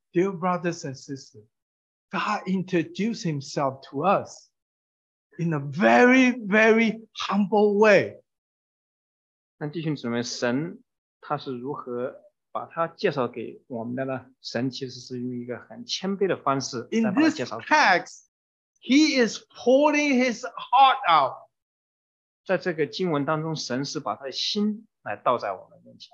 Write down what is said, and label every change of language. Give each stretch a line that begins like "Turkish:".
English: Dear brothers and sisters, God introduced himself to us in a very, very humble way.
Chinese: 那弟兄姊妹，神他是如何把他介绍给我们的呢？神其实是用一个很谦卑的方式来把他介绍给我们。
English: In this text, he is pouring his heart out.
Chinese: 在这个经文当中，神是把他的心来倒在我们面前。